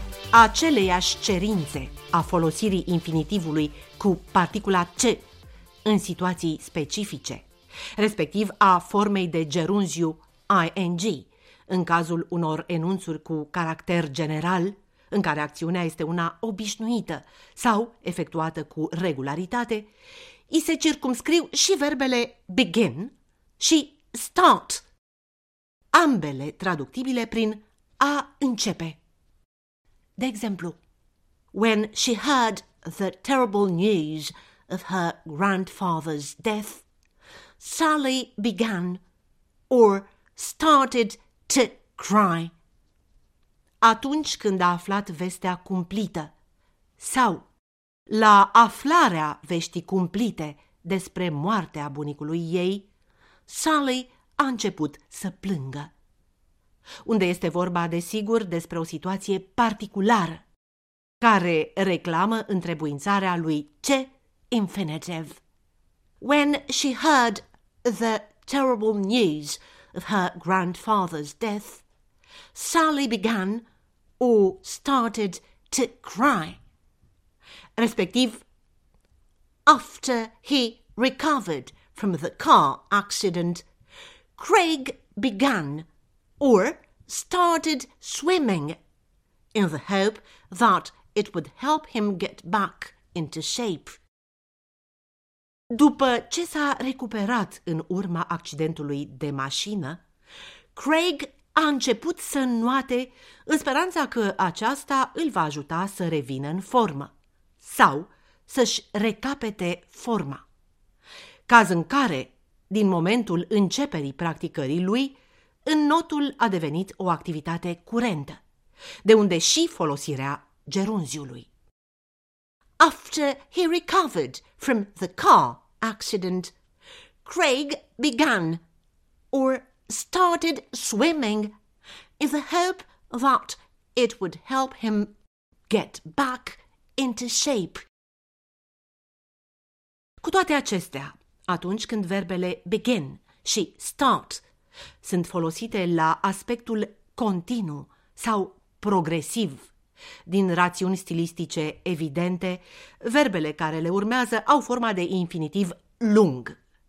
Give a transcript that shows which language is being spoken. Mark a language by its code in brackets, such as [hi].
[ro] aceleiași cerințe a folosirii infinitivului cu particula ce în situații specifice, respectiv a formei de gerunziu ing, în cazul unor enunțuri cu caracter general, în care acțiunea este una obișnuită sau efectuată cu regularitate, îi se circumscriu și verbele begin și start, ambele traductibile prin a începe. De exemplu, [en] when she heard the terrible news of her grandfather's death, Sally began or started to cry. [ro] Atunci când a aflat vestea cumplită sau la aflarea veștii cumplite despre moartea bunicului ei, Sally a început să plângă. Unde este vorba, desigur, despre o situație particulară care reclamă întrebuințarea lui ce infinitive. [en] When she heard the terrible news of her grandfather's death, Sally began or started to cry. Respectiv, after he recovered from the car accident, Craig began or started swimming in the hope that it would help him get back into shape. [ro] După ce s-a recuperat în urma accidentului de mașină, Craig a început să înnoate în speranța că aceasta îl va ajuta să revină în formă sau să-și recapete forma. Caz în care, din momentul începerii practicării lui, înnotul a devenit o activitate curentă, de unde și folosirea gerunziului. [en] After he recovered from the car accident, Craig began or started swimming in the hope that it would help him get back into shape. [ro] Cu toate acestea, atunci când verbele begin și start sunt folosite la aspectul continuu sau progresiv, din rațiuni stilistice evidente, verbele care le urmează au forma de infinitiv lung.